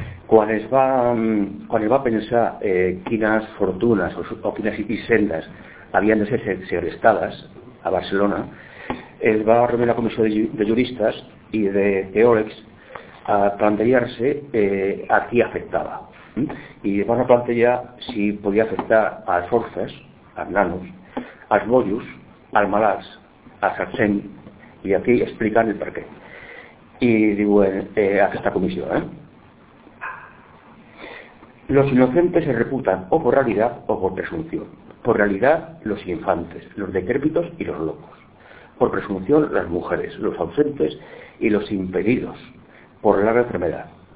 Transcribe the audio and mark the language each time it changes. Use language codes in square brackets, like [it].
[ca] Quan es va pensar quines fortunes o quines hisendes havien de ser segrestades a Barcelona, es va reunir la comissió de juristes i de teòlegs a plantejar-se a qui afectava. I van a plantejar si podia afectar als orfes, als nanos, als bollos, als malalts, als absents, i aquí explicant el perquè. I diuen aquesta comissió, [es] Los inocentes se reputan o por realidad o por presunción. Por realidad, los infantes, los decrépitos y los locos. Por presunción, las mujeres, los ausentes y los impedidos por la enfermedad.